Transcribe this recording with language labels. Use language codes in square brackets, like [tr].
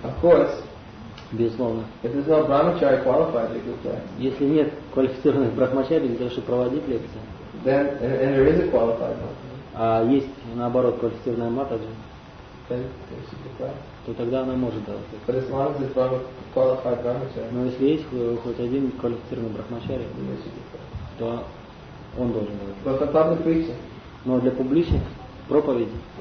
[en] Of course, [ru] безусловно, [en] if there's no brahmachari qualified to give lectures, [ru] если нет квалифицированных брахмачари для того, чтобы проводить лекции, [en] then and there is a qualified matajis, [ru] а есть наоборот квалифицированная матаджи, [en] then there should be class. [ru] То тогда она может давать. [en] But as long as it's one qualified brahmachari. [ru] Но если есть хоть один квалифицированный брахмачари, то он должен давать. [en] But for public preaching. [ru] Но для публичных проповедей.